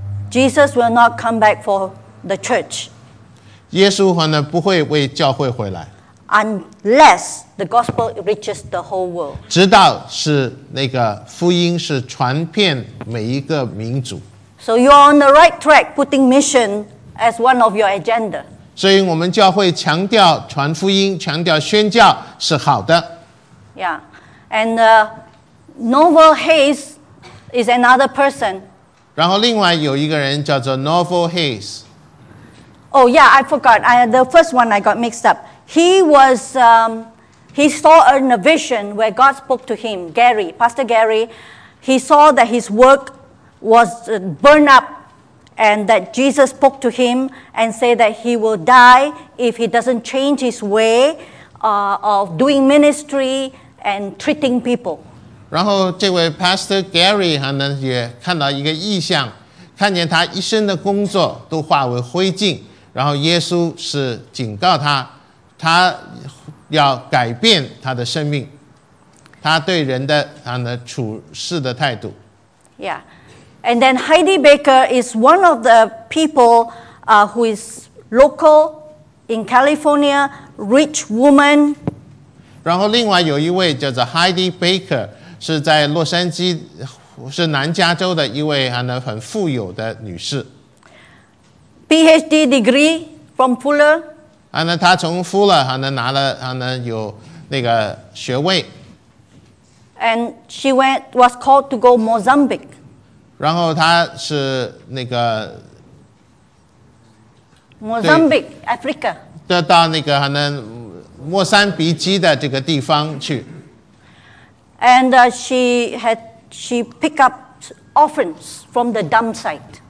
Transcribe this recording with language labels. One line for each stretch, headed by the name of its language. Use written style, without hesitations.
English: Jesus will not come back for the church.
Chinese: 耶稣可能不会为教会回来。
English: Unless the gospel reaches the whole world.
Chinese: 直到是那个福音是传遍每一个民族。
English: So you're on the right track putting mission as one of your agenda.
Chinese: 所以我们教会强调传福音，强调宣教是好的。
English: Yeah, and Norval Hayes is another person.
Chinese: 然后另外有一个人叫做 Norval Hayes.
English: Oh yeah, I forgot. The first one I got mixed up. He was, he saw in a vision where God spoke to him, Gary, Pastor Gary. He saw that his work was burned up and that Jesus spoke to him and said that he will die if he doesn't change his way of doing ministry and treating people.
Chinese: 然后这位 Pastor Gary 也看到一个异象，看见他一生的工作都化为灰烬，然后耶稣是警告他，他要改变他的生命，他对人的他的处事的态度。
English: Yeah, and then Heidi Baker is one of the people who is local in California, rich woman.
Chinese: 然后另外有一位叫做 Heidi Baker， 是在洛杉矶，是南加州的一位很富有的女士。
English: PhD degree from Fuller.
Chinese: 他从夫勒拿了有那个学位。
English: And she went, was called to go Mozambique.
Chinese: 然后他是那个
English: Mozambique, Africa.
Chinese: 就到那个莫桑比基的这个地方去。
English: And she picked up orphans from the dump site.